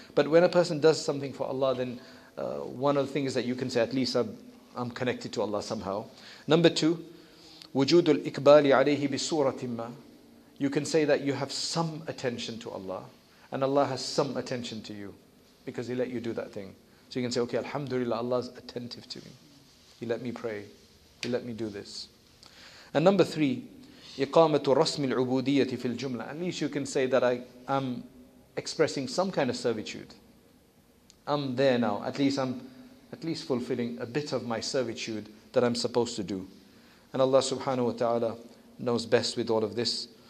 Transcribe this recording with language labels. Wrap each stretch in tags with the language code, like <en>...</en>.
<en>But when a person does something for Allah, then one of the things that you can say, at least I'm connected to Allah somehow. Number two,</en> <ar>wujudul ikbali alayhi bi suratimma.</ar> <en>you can say that you have some attention to Allah, and Allah has some attention to you, because He let you do that thing. So you can say, okay, Alhamdulillah, Allah's attentive to me. He let me pray. He let me do this. And number three,</en> <ar>إِقَامَةُ رَسْمِ الْعُبُودِيَّةِ فِي الْجُمْلَةِ.</ar> <en>At least you can say that I am expressing some kind of servitude. I'm there now. At least I'm at least fulfilling a bit of my servitude that I'm supposed to do. And Allah subhanahu wa ta'ala knows best with all of this.</en>